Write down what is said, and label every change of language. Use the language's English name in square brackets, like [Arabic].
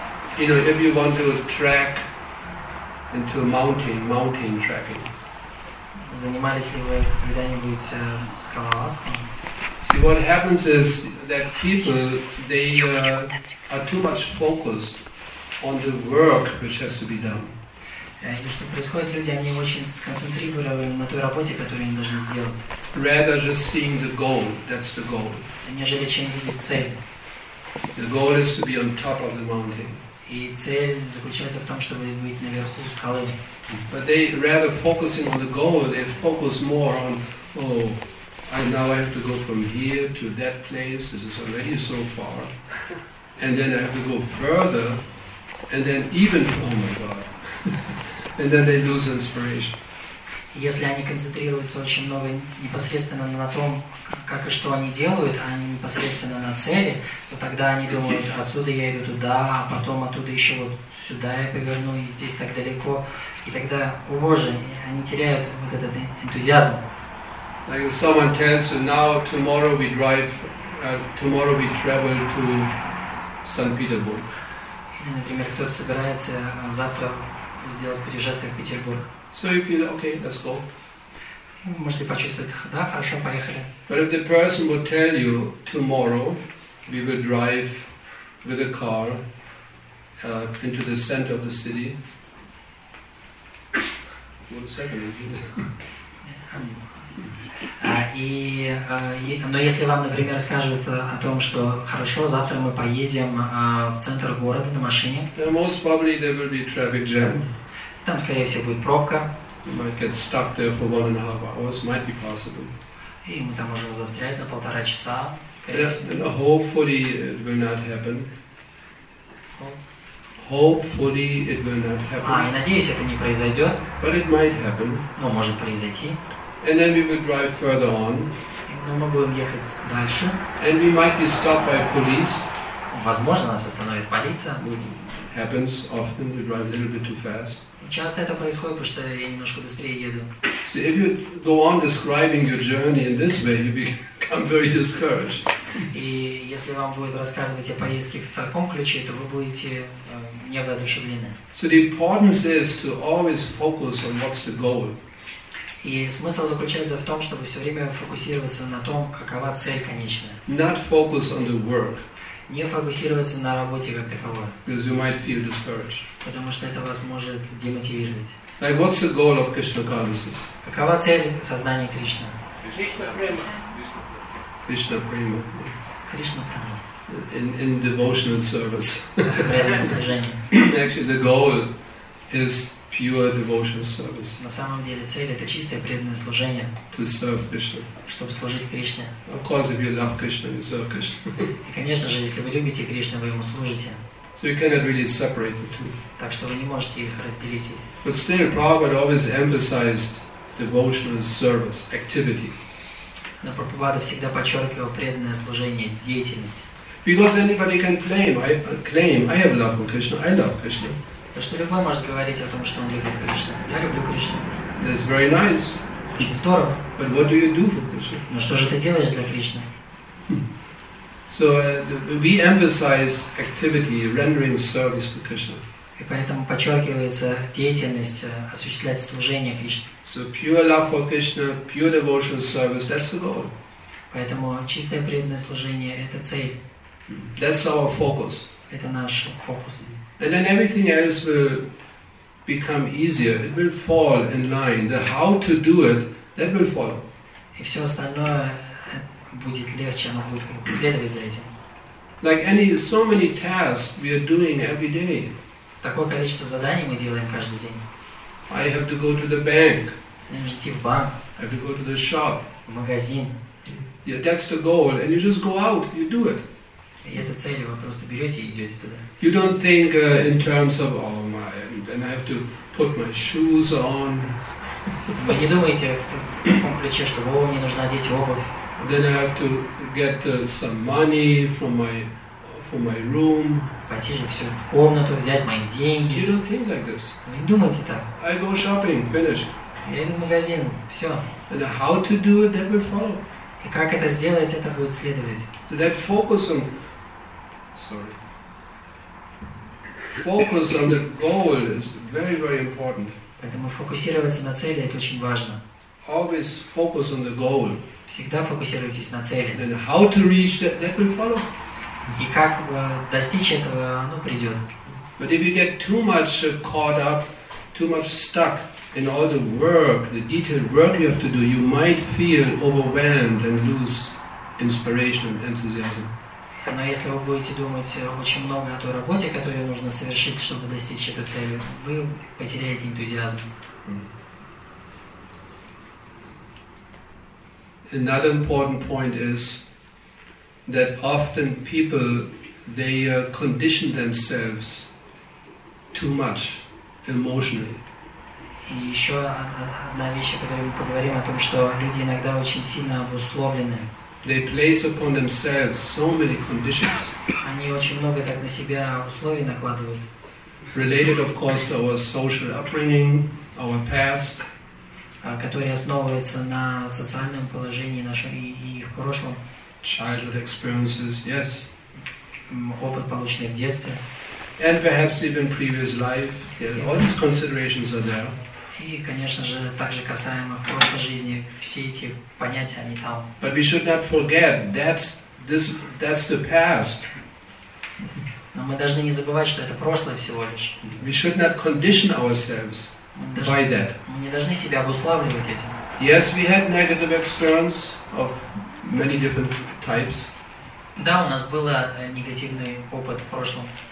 [English] Like, you know, if you want to track into a mountain tracking. [Russian] Занимались ли вы когда-нибудь скалолазством? [English] See, what happens is that people, they are too much focused on the work which has to be done. [Russian] И что происходит, люди, они очень сконцентрированы на той работе, которую они должны сделать. [English] Rather just seeing the goal, that's the goal. [Russian] Нежели чем видеть цель. [English] The goal is to be on top of the mountain. [Russian] И цель заключается в том, чтобы быть наверху скалы. [English] But they rather focusing on the goal, they focus more on, oh, I now have to go from here to that place, this is already so far, and then I have to go further, and then even, oh my God, and then they lose inspiration. [Russian] Если они концентрируются очень много непосредственно на том, как и что они делают, а не непосредственно на цели, то тогда они думают, отсюда я иду туда, а потом оттуда еще вот сюда я поверну, и здесь так далеко. И тогда, о Боже, они теряют вот этот энтузиазм. [English] Like if someone tells you, now tomorrow we drive, tomorrow we travel to St. Petersburg. [Russian] Или, например, кто-то собирается завтра сделать путешествие в Петербург. [English] So you feel, okay, let's go. [Russian] Можете почувствовать, да, хорошо, поехали. [English] But if the person would tell you, tomorrow we will drive with a car into the center of the city. [Russian] Но если вам, например, скажут о том, что хорошо, завтра мы поедем в центр города на машине. [English] Most probably there will be a traffic jam. [Russian] Там, скорее всего, будет пробка. [English] You might get stuck there for 1.5 hours. Might be possible. [Russian] И мы там можем застрять на полтора часа. [English] Hopefully it will not happen. Hopefully it will not happen. [Russian] А, и надеюсь, это не произойдет. [English] But it might happen. [Russian] Но может произойти. [English] And then we will drive further on. [Russian] Но мы будем ехать дальше. [English] And we might be stopped by police. [Russian] Возможно, нас остановит полиция. [English] It happens often. We drive a little bit too fast. [Russian] Часто это происходит, потому что я немножко быстрее еду. [English] See, if you go on describing your journey in this way, you become very discouraged. [Russian] И если вам будет рассказывать о поездке в таком ключе, то вы будете невоодушевлены. [English] So the importance is to always focus on what's the goal. [Russian] И смысл заключается в том, чтобы все время фокусироваться на том, какова цель конечная. [English] Not focus on the work. [Russian] Не фокусироваться на работе как таковой. [English] Because you might feel discouraged. [Russian] Потому что это вас может демотивировать. [English] Like, what's the goal of Krishna consciousness? [Russian] Какова цель сознания Кришны? [Sanskrit] Krishna prema. Krishna prema. [English] In devotional service. [Russian] В преданном служении. [English] Actually, the goal is pure devotional service. [Russian] На самом деле цель это чистое преданное служение. [English] To serve Krishna. [Russian] Чтобы служить Кришне. [English] Of course, if you love Krishna, you serve Krishna. [Russian] И конечно же, если вы любите Кришну, вы ему служите. [English] So you cannot really separate the two. [Russian] Так что вы не можете их разделить. [English] But still, Prabhupada always emphasized devotional service activity. [Russian] Но Прабхупада всегда подчеркивал преданное служение, деятельность. [English] Because anybody can claim, I have love for Krishna, I love Krishna. [Russian] Потому что любой может говорить о том, что он любит Кришну. Я люблю Кришну. [English] That's very nice. [Russian] Очень здорово. [English] But what do you do for Krishna? [Russian] Но что же ты делаешь для Кришны? [English] So we emphasize activity, rendering service to Krishna. [Russian] И поэтому подчеркивается деятельность осуществлять служение Кришне. [English] So pure love for Krishna, pure devotional service, that's the goal. [Russian] Поэтому чистое преданное служение – это цель. [English] That's our focus. [Russian] Это наш фокус. [English] And then everything else will become easier. It will fall in line. The how to do it, that will follow. [Russian] И все остальное будет легче, оно будет следовать за этим. [English] Like so many tasks we are doing every day. [Russian] Такое количество заданий мы делаем каждый день. [English] I have to go to the bank. [Russian] Мне нужно идти в банк. [English] I have to go to the shop. [Russian] В магазин. [English] Yeah, that's the goal. And you just go out, you do it. [Russian] И это цель, вы просто берете и идете туда. [English] You don't think in terms of, oh my, then I have to put my shoes on. [Russian] Вы не думаете в таком ключе, что о, мне нужно одеть обувь. [English] Then I have to get some money for my room. [Russian] Пойти же все в комнату, взять мои деньги. [English] You don't think like this. [Russian] Вы не думаете так. [English] I go shopping, finished. [Russian] Я иду в магазин, все. [English] And how to do it, that will follow. [Russian] И как это сделать, это будет следовать. [English] So that focus on... Sorry. Focus on the goal is very, very important. [Russian] Поэтому фокусироваться на цели – это очень важно. [English] Always focus on the goal. [Russian] Всегда фокусируйтесь на цели. [English] Then how to reach that, that will follow. [Russian] И как достичь этого, оно придет. [English] But if you get too much caught up, too much stuck, in all the work, the detailed work you have to do, you might feel overwhelmed and lose inspiration and enthusiasm. [Russian] Но если вы будете думать очень много о той работе, которую нужно совершить, чтобы достичь этой цели, вы потеряете энтузиазм. [English] Another important point is that often people, they condition themselves too much emotionally. [Russian] И еще одна вещь, о которой мы поговорим, о том, что люди иногда очень сильно обусловлены. [English] They place upon themselves so many conditions. [Russian] Они очень много так на себя условий накладывают. [English] Related, of course, to our social upbringing, our past. [Russian] Которые основываются на социальном положении нашем и их прошлом. [English] Childhood experiences, yes. [Russian] Опыт, полученный в детстве. [English] And perhaps even previous life. Yeah, all these considerations are there. [Russian] И, конечно же, также касаемо прошлой жизни, все эти понятия, они там. [English] But we should not forget, that's the past. [Russian] Но мы должны не забывать, что это прошлое всего лишь. [English] We should not condition ourselves by that. [Russian] Мы не должны себя обуславливать этим. [English] Yes, we had negative experience of many different types. [Russian] Да, у нас был негативный опыт в прошлом.